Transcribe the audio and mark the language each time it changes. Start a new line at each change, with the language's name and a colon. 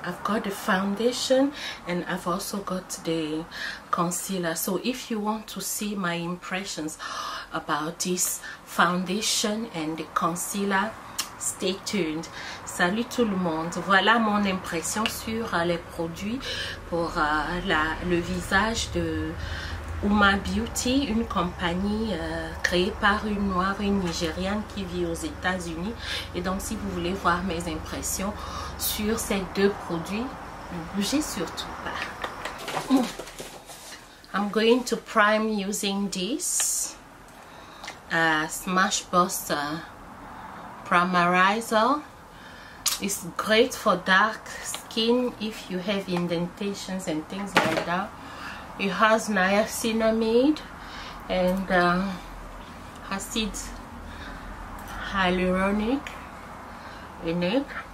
English: I've got the foundation and I've also got the concealer. So if you want to see my impressions about this foundation and the concealer, stay tuned.
French: Salut tout le monde. Voilà mon impression sur les produits pour le visage de Uoma Beauty, une compagnie créée par une noire, une nigériane qui vit aux États-Unis. Et donc, si vous voulez voir mes impressions sur ces deux produits, ne bougez surtout pas.
English: I'm going to prime using this Smash Buster Primerizer. It's great for dark skin if you have indentations and things like that. It has niacinamide and acid hyaluronic in it.